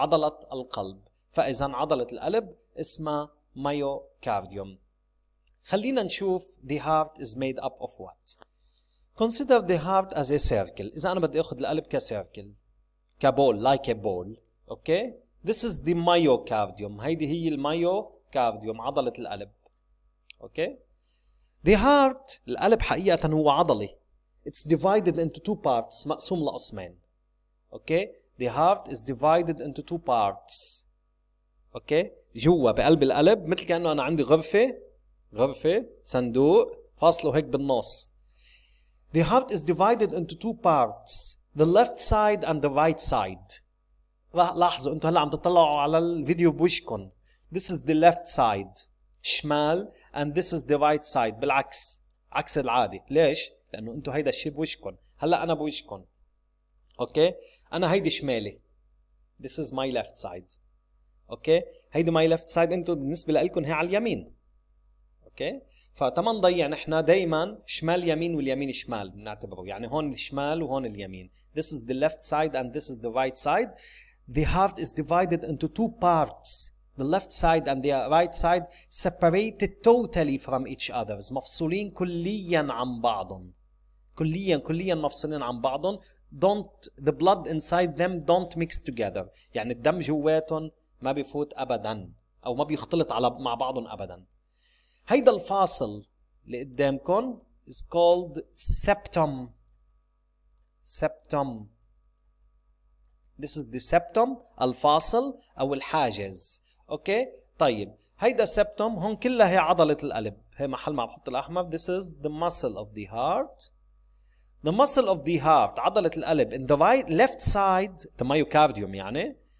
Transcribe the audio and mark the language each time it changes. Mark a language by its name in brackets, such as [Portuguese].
[Arabic] عضلة القلب فاذا عضلة القلب اسمها myocardium خلينا نشوف [English] the heart is made up of what consider the heart as a circle [Arabic] اذا انا بدي اخذ القلب كسيركل كبول [English] like a ball [Arabic] اوكي [English] okay? this is the myocardium [Arabic] هيدي هي الميو كارديوم عضلة القلب اوكي [English] okay. The heart [Arabic] القلب حقيقة هو عضلة [English] It's divided into two parts [Arabic] مقسوم لقسمين اوكي [English] okay. The heart is divided into two parts [Arabic] اوكي [English] okay. [Arabic] جوا بقلب القلب مثل كأنه أنا عندي غرفة غرفة صندوق فاصله هيك بالنص [English] The heart is divided into two parts The left side and the right side [Arabic] لاحظوا انتوا هلا عم تطلعوا على الفيديو بوشكم [English] This is the left side, [Arabic] شمال, [English] and this is the right side, [Arabic] بالعكس, عكس العادي. ليش؟ لأنه أنتوا هيدا الشيء بوشكن. هلأ أنا بوشكن. أوكي؟ أنا هيدي شمالي. [English] This is my left side. [Arabic] أوكي؟ هيدي [English] my left side [Arabic] أنتوا بالنسبة لألكن هي على اليمين. أوكي؟ فتما نضيع نحنا دايما شمال يمين واليمين شمال بنعتبره. يعني هون الشمال وهون اليمين. [English] This is the left side and this is the right side. The heart is divided into two parts. The left side and the right side separated totally from each other. [Arabic] مفصولين كليا عن بعضهم. كليا مفصولين عن بعضهم. [English] Don't, the blood inside them don't mix together. [Arabic] يعني الدم جواتهم ما بيفوت ابدا. او ما بيختلط على مع بعضهم ابدا. هيدا الفاصل اللي قدامكم [English] is called septum. Septum. This is the septum, [Arabic] الفاصل او الحاجز. اوكي طيب هيدا سبتوم هون كلها هي عضلة القلب هي محل ما بحط الاحمر [English] This is the muscle of the heart [Arabic] The muscle of the heart عضلة القلب [English] In the right, left side The myocardium [Arabic] يعني